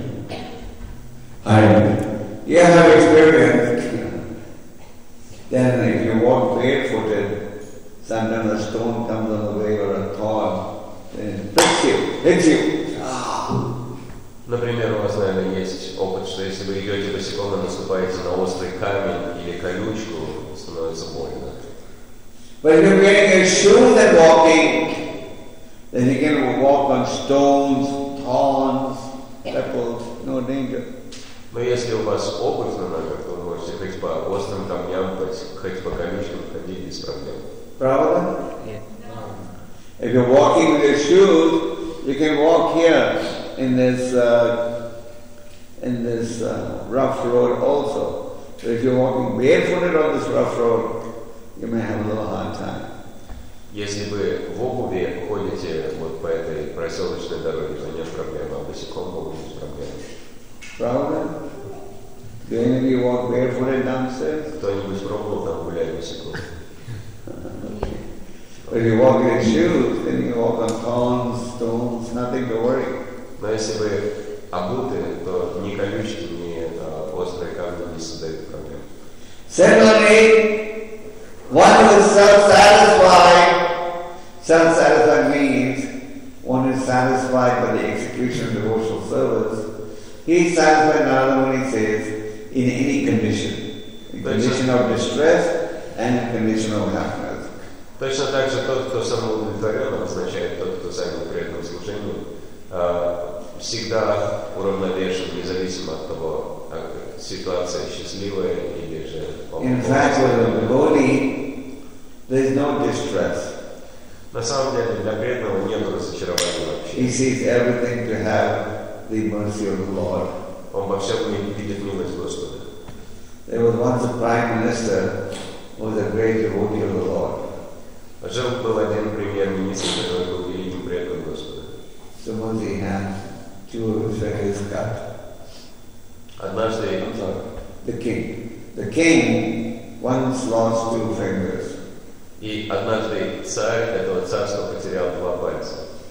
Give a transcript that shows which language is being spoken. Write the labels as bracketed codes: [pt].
[en] You have experience that if you walk barefooted, sometimes a stone comes on the way or a thorn, then it pricks you, hits you. [ru] Например, у вас, наверное, есть опыт, что если вы идете босиком и наступаете на острый камень или колючку, становится больно. [en] But if you're wearing your shoes and walking, then you can walk on stones, thorns, pebbles, no danger. [ru] Но если у вас обувь на ногах, то вы можете ходить по острым камням, хоть по колючкам ходить без проблем. Правда? [en] Yeah. If you're walking with your shoes, you can walk here in this rough road also. So if you're walking barefooted on this rough road, you may have a little hard time. [ru] Если вы в обуви ходите вот по этой проселочной дороге, то нет проблем, а босиком по улице проблем. Правда? [en] Do any of you walk barefooted downstairs? [ru] Кто-нибудь пробовал там гулять босиком? [en] If you walk in shoes, then you walk on thorns, stones, nothing to worry. [ru] Но если вы обуты, то ни колючки, ни острые камни не создают проблем. [en] Secondly, one who is self-satisfied. Self-satisfied means one is satisfied by the execution of devotional service. He is satisfied not only says in any condition, in condition of distress and in condition of happiness. [ru] Точно так же тот, кто самоудовлетворен, означает тот, кто занял преданное служение, всегда уравновешен, независимо от того, как ситуация счастливая или же. [en] In fact, with a devotee, there is no distress. [ru] На самом деле, для преданного нет разочарования вообще. [en] He sees everything to have the mercy of the Lord. [ru] Он во всем видит милость Господа. [en] There was once a prime minister who was a great devotee of the Lord. [ru] Жил был один премьер-министр, который был великим преданным Господа. [en] Somebody had two rupees cut. [ru] Однажды, [en] The king once lost two fingers. [ru] И однажды царь этого царства потерял два пальца.